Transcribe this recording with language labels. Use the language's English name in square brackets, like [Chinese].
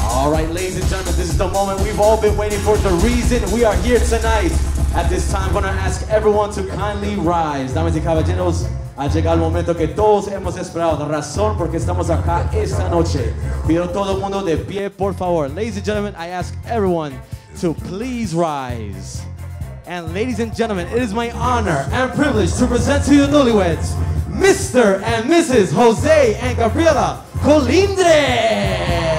[English] All right, ladies and gentlemen, this is the moment we've all been waiting for. The reason we are here tonight. At this time, I'm going to ask everyone to kindly rise. [Spanish] Damas y caballeros, ha llegado el momento que todos hemos esperado. La razón por qué estamos acá esta noche. Pido todo el mundo de pie, por favor. [English] Ladies and gentlemen, I ask everyone to please rise. And ladies and gentlemen, it is my honor and privilege to present to you newlyweds, Mr. and Mrs. Jose and Gabriela Colindres.